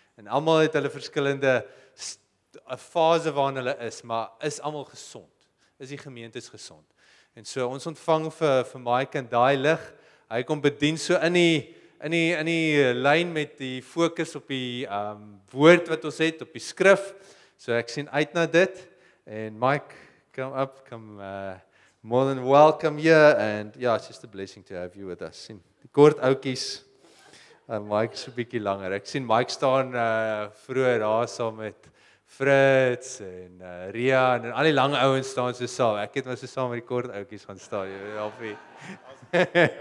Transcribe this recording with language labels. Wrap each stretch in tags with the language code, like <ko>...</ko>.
<af>En allemaal het hulle verskillende fase waarin hulle is, maar is allemaal gesond. Is die gemeentes gesond. En so ons ontvang vir Mike en die lig, hy kom bedien so in die lyn met die fokus op die woord wat ons het, op die skrif. So ek sien uit na dit, en</af> <en>Mike, come up, come more than welcome here, and yeah, it's just a blessing to have you with us.</en> <af>Sien, die kort oukies, Mike is so bietjie langer. Ek sien Mike staan vroeger daar saam met Fritz en Ria, en al die lange ouwens staan so saam. Ek het maar so saam met die kort oukies gaan staan, jy weet helpie.</af>